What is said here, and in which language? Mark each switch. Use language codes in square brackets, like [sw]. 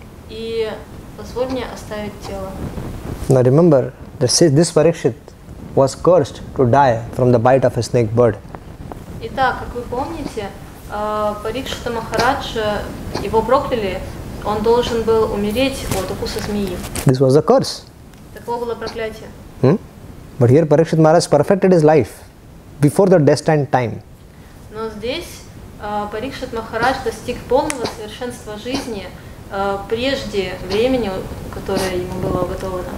[ru] И позволь мне оставить тело. [en] Now remember that this Parikshit was cursed to die from the bite of a snake bird. [ru] Итак, как вы помните, Парикшита Махараджа, его прокляли, он должен был умереть от укуса змеи. [en] This was a curse. [ru] Такое было проклятие. [en] But here Parikshit Maharaj perfected his life before the destined time. [ru] Но здесь Парикшит Махарадж достиг полного совершенства жизни прежде времени, которое ему было уготовано.